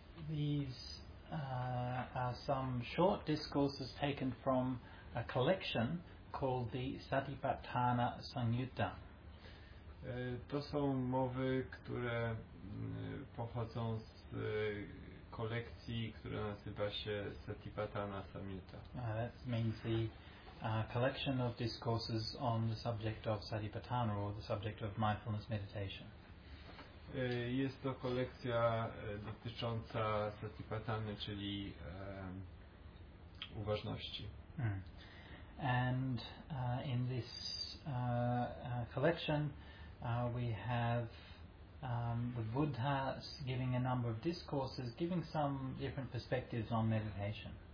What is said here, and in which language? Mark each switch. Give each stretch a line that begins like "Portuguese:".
English: These are some short discourses taken from a collection called the Satipatthana Samyutta.
Polish: To są mowy, które pochodzą z kolekcji, która nazywa się Satipatthana Samyutta.
English: That means the collection of discourses on the subject of Satipatthana, or the subject of mindfulness meditation.
Polish: Jest to kolekcja dotycząca Satipatthany, czyli uważności. Mm.
English: And in this collection we have the Buddha giving a number of discourses, giving some different perspectives on meditation.